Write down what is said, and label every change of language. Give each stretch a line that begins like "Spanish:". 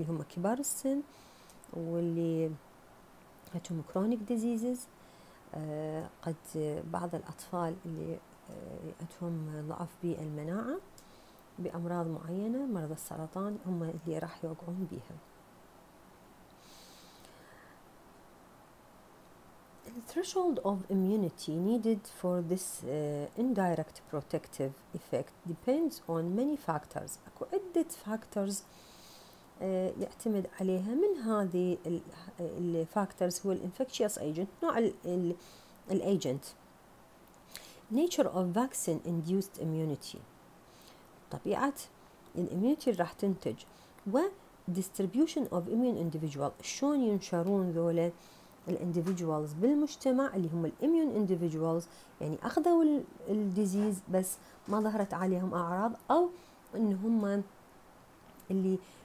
Arabic: كبار السن واللي عندهم
English: chronic diseases,
Arabic: قد بعض الأطفال اللي عندهم ضعف بالمناعة بأمراض معينة، مرض السرطان هم اللي راح يوقعون بيها.
English: The threshold of immunity needed for this indirect protective effect depends on many factors.
Arabic: أكو عدة
English: factors
Arabic: يعتمد عليها من هذه الفاكتورز هو
English: الانفكشيوس ايجنت،
Arabic: نوع الايجنت،
English: nature of vaccine induced immunity,
Arabic: طبيعه الاميونيتي راح تنتج، و
English: distribution of immune individual,
Arabic: شلون ينشرون ذولا الانديفيدجوالز بالمجتمع اللي هم الاميون انديفيدجوالز، يعني اخذوا الديزيز بس ما ظهرت عليهم اعراض، او ان هم اللي